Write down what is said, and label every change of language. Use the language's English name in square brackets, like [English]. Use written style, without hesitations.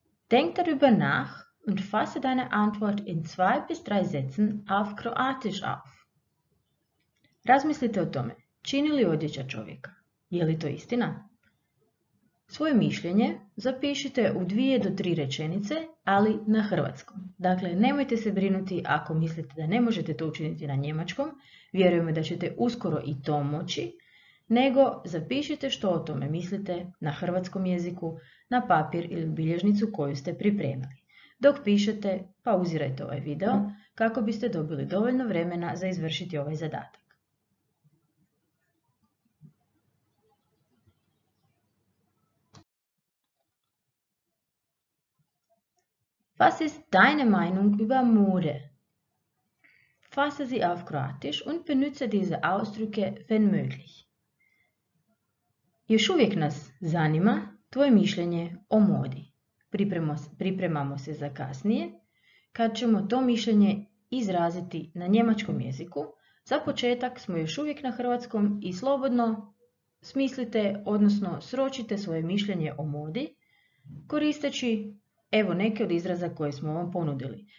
[German] Denk darüber nach und fasse deine Antwort in 2 bis 3 Sätzen auf Kroatisch auf. [Croatian] Razmislite o tome, čini li odjeća čovjeka? Je li to istina? Svoje mišljenje zapišite u 2 do 3 rečenice, ali na hrvatskom. Dakle, nemojte se brinuti ako mislite da ne možete to učiniti na njemačkom, vjerujemo da ćete uskoro i to moći, nego zapišite što o tome mislite na hrvatskom jeziku, na papir ili bilježnicu koju ste pripremili. Dok pišete, pauzirajte ovaj video kako biste dobili dovoljno vremena za izvršiti ovaj zadatak. [German] Was ist deine Meinung über Mode? Fasse sie auf Kroatisch und benutze diese Ausdrücke, wenn möglich. [Croatian] Još uvijek nas zanima tvoje mišljenje o modi. Pripremamo se za kasnije, kad ćemo to mišljenje izraziti na njemačkom jeziku. Za početak smo još uvijek na hrvatskom i slobodno smislite, odnosno sročite svoje mišljenje o modi koristeći evo neke od izraza koje smo vam ponudili.